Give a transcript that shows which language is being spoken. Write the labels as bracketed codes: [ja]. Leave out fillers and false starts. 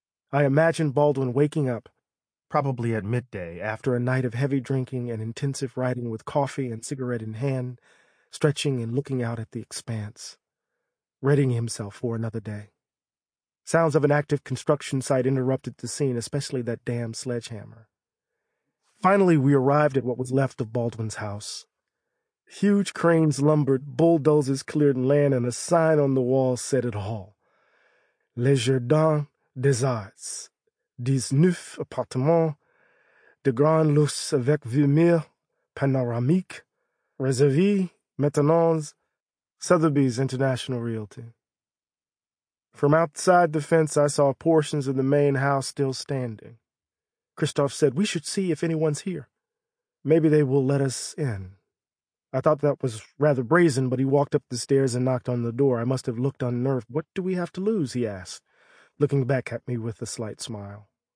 [en] I imagined Baldwin waking up, probably at midday, after a night of heavy drinking and intensive writing with coffee and cigarette in hand, stretching and looking out at the expanse, readying himself for another day. Sounds of an active construction site interrupted the scene, especially that damn sledgehammer. Finally, we arrived at what was left of Baldwin's house. Huge cranes lumbered, bulldozers cleared land, and a sign on the wall said it all. [fr] Les Jardins des Arts, 19 appartements, de grand luxe avec vue mire panoramique, réservé maintenant Sotheby's International Realty. [en] From outside the fence, I saw portions of the main house still standing. Christophe said, we should see if anyone's here. Maybe they will let us in. I thought that was rather brazen, but he walked up the stairs and knocked on the door. I must have looked unnerved. What do we have to lose? He asked, looking back at me with a slight smile.